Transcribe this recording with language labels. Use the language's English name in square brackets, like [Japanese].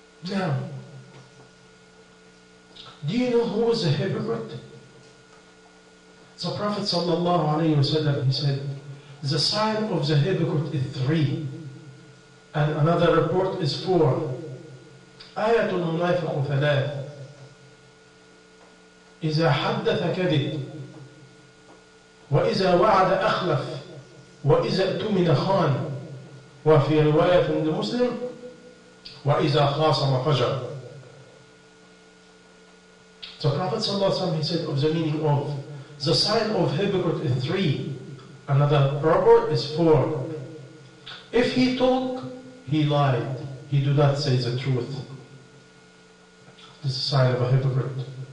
[English] Now, do you know who is a hypocrite? The Prophet sallallahu alaihi wasallam, he said, the sign of the hypocrite is three. And another report is four. [Arabic] Ayatul munafiq thalath. إذا حدث كذب وإذا وعد أخلف وإذا اؤتمن خان وفي رواية لمسلم وإذا خاصم فجر. [English] The Prophet صلى الله عليه وسلم, he said, of the meaning of the sign of hypocrite is three, another proverb is four. If he talk, he lied, he do not say the truth. This is the sign of a hypocrite.